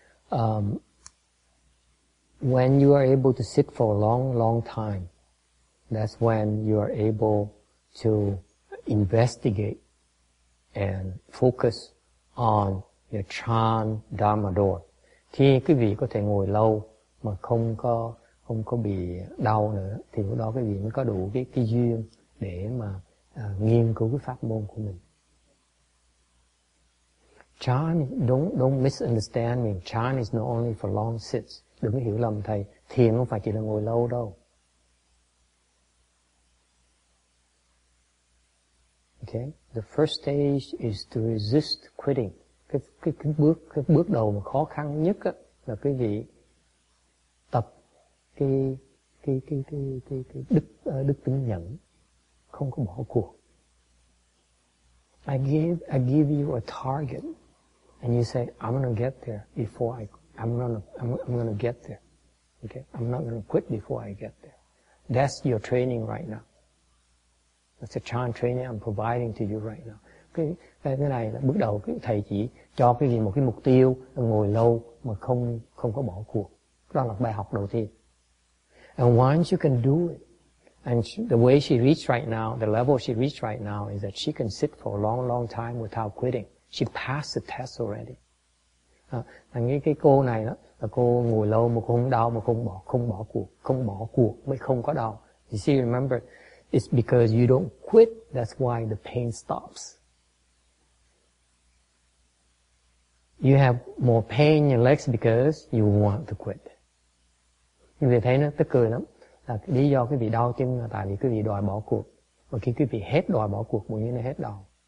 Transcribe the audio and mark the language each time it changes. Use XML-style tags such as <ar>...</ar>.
<en>Okay. When you are able to sit for a long, long time, that's when you are able to investigate and focus on your Chan Dharma Door.</en> <vi>Khi quý vị có thể ngồi lâu mà không có bị đau nữa, thì lúc đó quý vị mới có đủ cái duyên để mà nghiên cứu cái pháp môn của mình.</vi> <en>Chan, don't misunderstand me. Chan is not only for long sits.</en> <vi>Đừng hiểu lầm thầy. Thiền không phải chỉ là ngồi lâu đâu.</vi> <en>Okay. The first stage is to resist quitting.</en> <vi>Cái bước đầu mà khó khăn nhất á là cái gì? Tập cái đức tính nhẫn, không có bỏ cuộc.</vi> <en>I give you a target. And you say, I'm gonna get there before I'm gonna get there. Okay? I'm not gonna quit before I get there. That's your training right now. That's the Chan training I'm providing to you right now. Okay?</en> <vi>Cái này là bước đầu, thầy chỉ cho cái gì một cái mục tiêu là ngồi lâu mà không có bỏ cuộc. Đó là bài học đầu tiên.</vi> <en>And once you can do it, and the way she reached right now, the level she reached right now is that she can sit for a long, long time without quitting. She passed the test already.</en> <vi>Nghĩ cái cô này đó, là cô ngồi lâu mà cô không đau, mà không bỏ cuộc mới không có đau.</vi> <en>You see, remember, it's because you don't quit, that's why the pain stops. You have more pain in your legs because you want to quit.</en> <vi>Quý vị thấy nó tức cười lắm. Là lý do quý vị đau tim là tại vì quý vị đòi bỏ cuộc. Và khi quý vị hết đòi bỏ cuộc, bỗng nhiên nó hết đau.</vi>